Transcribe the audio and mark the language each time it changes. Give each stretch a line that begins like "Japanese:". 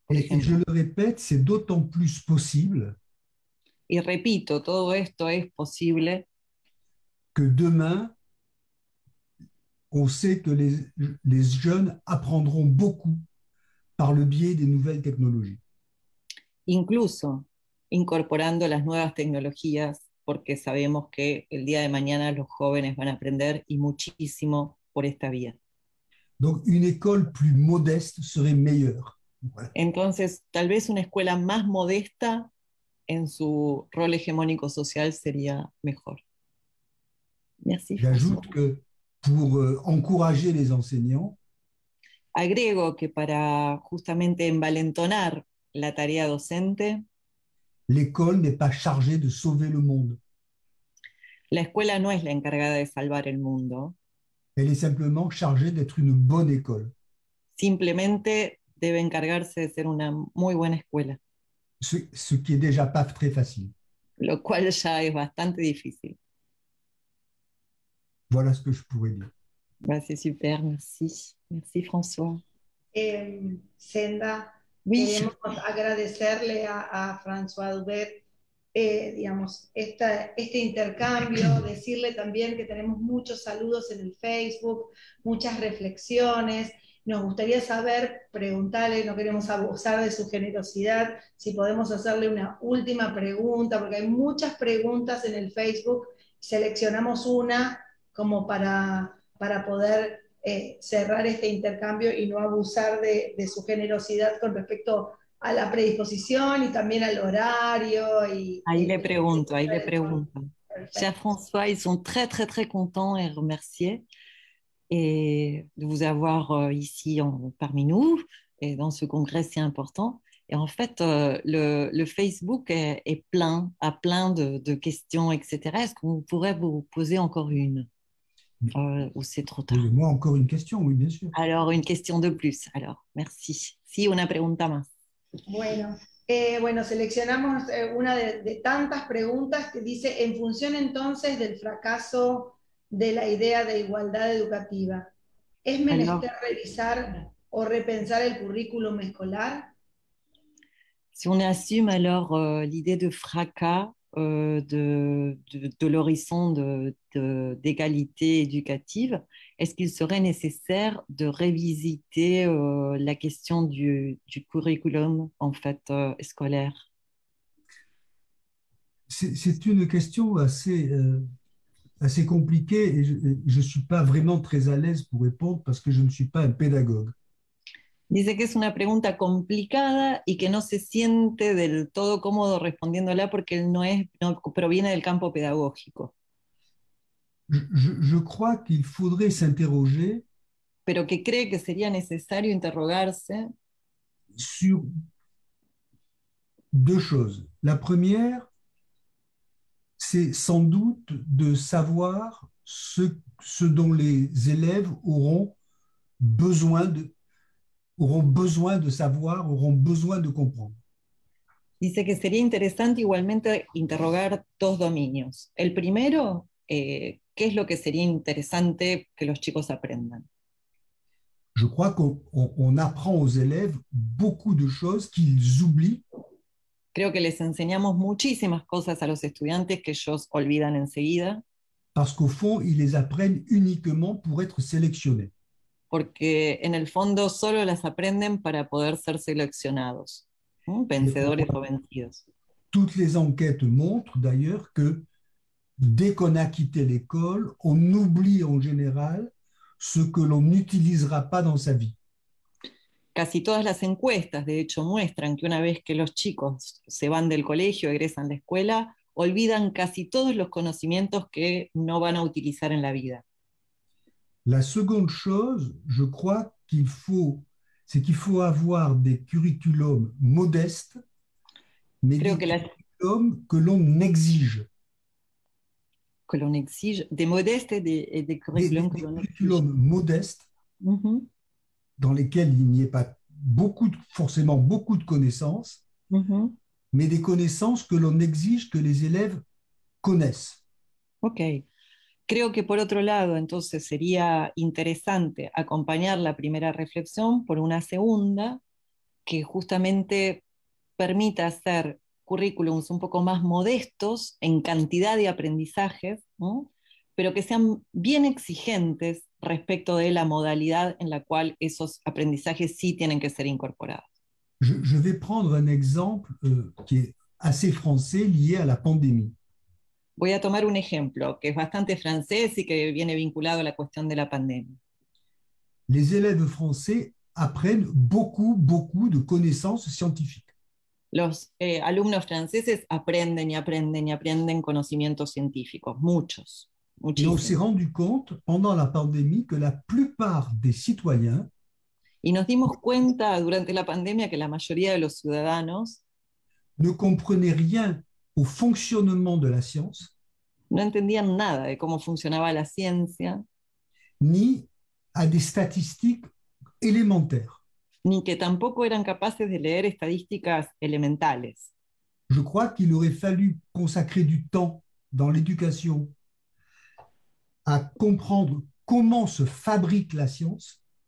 French: Et je le répète, c'est d'autant plus possible.
Spanish: Y repito, todo esto es posible.
French: Que demain, on sait que les jeunes apprendront beaucoup par le biais des nouvelles technologies.
Spanish: Incluso incorporando las nuevas tecnologías, porque sabemos que el día de mañana los jóvenes van a aprender y muchísimo.
French: Donc, une école plus modeste serait meilleure.
Spanish: Entonces, tal vez una escuela más modesta en su rol hegemónico social sería mejor.
French: Merci. J'ajoute que pour encourager les enseignants,
Spanish: agrego que para justamente envalentonar la tarea docente,
French: l'école n'est pas chargée de sauver le monde.
Spanish: La escuela no es la encargada de salvar el mundo.
French: Elle est simplement chargée d'être une bonne école.
Spanish: Simplemente debe encargarse de ser una muy buena escuela.
French: Ce qui est déjà pas très facile.
Spanish: Lo cual ya es bastante difícil.
French: Voilà ce que je pourrais dire. Bah, c'est super, merci. Merci François. Senda, oui.
Spanish: Queremos agradecerle a François Dubert digamos, este intercambio, decirle también que tenemos muchos saludos en el Facebook, muchas reflexiones, nos gustaría saber, preguntarle, no queremos abusar de su generosidad, si podemos hacerle una última pregunta, porque hay muchas preguntas en el Facebook, seleccionamos una como para poder cerrar este intercambio y no abusar de su generosidad con respecto a la predisposición y también al horario. Ahí le pregunto.
French: Cher François, ils sont très très très contents et remerciés et de vous avoir ici parmi nous et dans ce congrès si important. Et en fait, le Facebook est plein, a plein de questions, etc. Est-ce qu'on pourrait vous poser encore une ou c'est trop tard? Posez-moi encore une question, oui, bien sûr. Alors, une question de plus. Alors, merci.
Spanish: Si, una pregunta más. Bueno, seleccionamos una de tantas preguntas que dice, en función entonces del fracaso de la idea de igualdad educativa, ¿es menester revisar o repensar el currículum escolar?
French: Si on assume alors l'idée de fracas de l'horizon d'égalité éducative, est-ce qu'il serait nécessaire de revisiter la question du curriculum en fait scolaire? C'est une question assez compliquée et je suis pas vraiment très à l'aise pour répondre parce que je ne suis pas un pédagogue.
Spanish: Dice que es una pregunta complicada y que no se siente del todo cómodo respondiéndola porque él no proviene del campo pedagógico.
French: Je crois qu'il faudrait s'interroger.
Spanish: Pero que cree que sería necesario interrogarse.
French: Sur deux choses. La première, c'est sans doute de savoir ce dont les élèves auront besoin de comprendre.
Spanish: Dice que sería interesante igualmente interrogar dos dominios. El primero, ¿qué es lo que sería interesante que los chicos aprendan?
French: Je crois qu'on apprend aux élèves beaucoup de choses qu'ils oublient.
Spanish: Creo que les enseñamos muchísimas cosas a los estudiantes que ellos olvidan enseguida.
French: Parce qu'au fond, ils les apprennent uniquement pour être sélectionnés.
Spanish: Porque en el fondo solo las aprenden para poder ser seleccionados, vencedores o vencidos.
French: Toutes les enquêtes montrent d'ailleurs que dès qu'on a quitté l'école, on oublie en général ce que l'on n'utilisera pas dans sa vie.
Spanish: Casi todas las encuestas, de hecho, muestran que una vez que los chicos se van del colegio, egresan de la escuela, olvidan casi todos los conocimientos que no van a utilizar en la vida.
French: La seconde chose, je crois qu'il faut, c'est qu'il faut avoir des curriculums modestes, mais
Spanish: creo
French: des
Spanish: que
French: curriculums que l'on exige. Que l'on exige, des modestes et des curriculums que l'on exige. Des curriculums modestes, dans lesquels il n'y ait pas beaucoup, forcément beaucoup de connaissances, mais des connaissances que l'on exige que les élèves connaissent. Ok.
Spanish: Creo que por otro lado, entonces sería interesante acompañar la primera reflexión por una segunda que justamente permita hacer currículums un poco más modestos en cantidad de aprendizajes, ¿no? Pero que sean bien exigentes respecto de la modalidad en la cual esos aprendizajes sí tienen que ser incorporados.
French: Je vais prendre un exemple qui est assez français lié à la pandémie.
Spanish: Voy a tomar un ejemplo que es bastante francés y que viene vinculado a la cuestión de la pandemia.
French: Les élèves français apprennent beaucoup, beaucoup de connaissances scientifiques.
Spanish: Los alumnos franceses aprenden y aprenden y aprenden conocimientos científicos, muchos, muchísimos.
French: Et on s'est rendu compte pendant la pandémie que la plupart des citoyens.
Spanish: Y nos dimos cuenta durante la pandemia que la mayoría de los ciudadanos
French: ne comprenaient rien au fonctionnement de la science,
Spanish: no entendían nada de cómo funcionaba la ciencia,
French: ni à des statistiques élémentaires.
Spanish: Ni que tampoco eran capaces de leer estadísticas elementales.
French: Je crois qu'il aurait fallu consacrer du temps dans l'éducation à comprendre comment se fabrique la science.